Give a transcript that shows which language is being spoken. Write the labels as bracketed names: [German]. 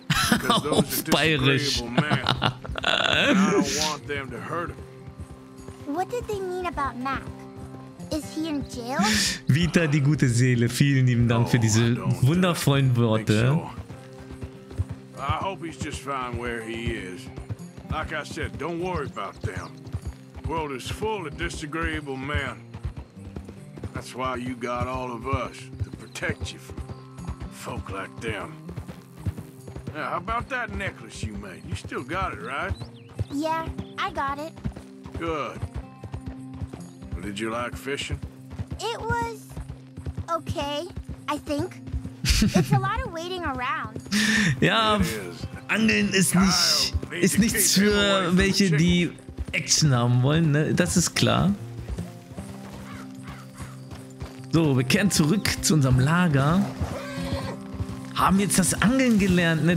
[English] because those are disagreeable men, and I don't want them to hurt him. What did they mean about Mac? Is he in jail? [German] Vita, die gute Seele, vielen lieben Dank für diese wundervollen Worte. [English] I hope he's just fine where he is. Like I said, don't worry about them. The world is full of disagreeable men. That's why you got all of us to protect you from folk like them. Now, how about that necklace you made? You still got it, right? Yeah, I got it. Good. Well, did you like fishing? It was okay, I think. It's a lot of waiting around. [German] Ja, angeln ist nichts für welche, die Action haben wollen, ne? Das ist klar. So, wir kehren zurück zu unserem Lager. Haben jetzt das Angeln gelernt, ne?